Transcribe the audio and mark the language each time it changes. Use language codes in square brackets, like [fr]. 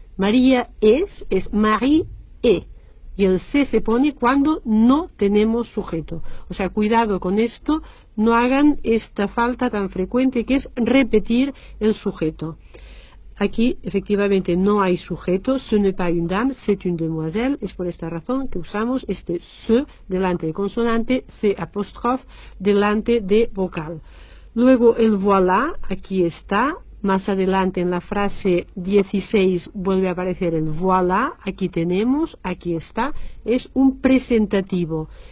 [es] María es [fr] Marie est. [es] Y el C se pone cuando no tenemos sujeto. O sea, cuidado con esto, no hagan esta falta tan frecuente que es repetir el sujeto. Aquí, efectivamente, no hay sujeto. [fr] Ce n'est pas une dame, c'est une demoiselle. [es] Es por esta razón que usamos este ce delante de consonante, C apóstrofe delante de vocal. Luego el voilà, aquí está. Más adelante en la frase 16 vuelve a aparecer el voilà, aquí tenemos, aquí está, es un presentativo.